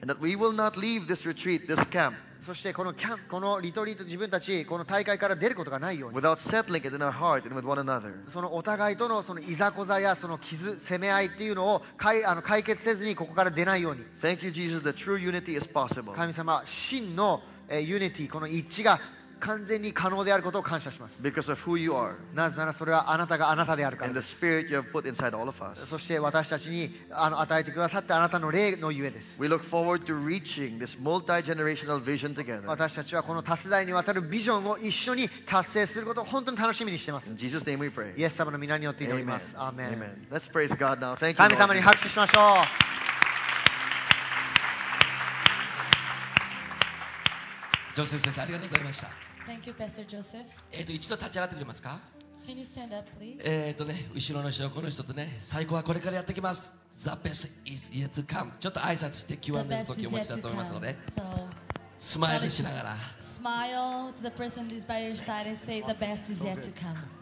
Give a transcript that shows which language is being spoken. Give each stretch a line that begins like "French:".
English: And that we will not leave this retreat, this camp.
Japanese: そしてこのキャンこのリトリート自分たちこの大会から出ることがないように
English: without settling it in our heart and with one another.
Japanese: そのお互いとのそのいざこざやその傷攻め合いっていうのを解決せずにここから出ないように
English: Thank you, Jesus, that true unity is possible.
Japanese: 神様真のユニティこの一致が完全に可能であることを感謝します
English: because of who you are.
Japanese: なぜならそれはあなたがあなたであるからです
English: and the spirit you have put inside all of us.
Japanese: そして私たちに与えてくださってあなたの霊のゆえです
English: we look forward to reaching this multi-generational vision together.
Japanese: 私たちはこの多世代にわたるビジョンを一緒に達成することを本当に楽しみにしています
English: in Jesus' name we pray.
Japanese: イエス様の皆によって祈ります
English: Amen. Amen. Let's praise God now. Thank you, Lord.
Japanese: 神様に拍手しましょうジョセフ先生ありがとうございました
English: Thank you, Pastor Joseph.
Japanese: 一度立ち上がってくれますか?
English: Can you stand up, please?
Japanese: 後ろの人、この人とね、最後はこれからやってきます。
English: The best is yet to come.
Japanese: ちょっと挨拶して Q&A の時を持ちたいと思いますので、スマイルしながら。
English: Smile to the person who's by your side and say the best is yet to come.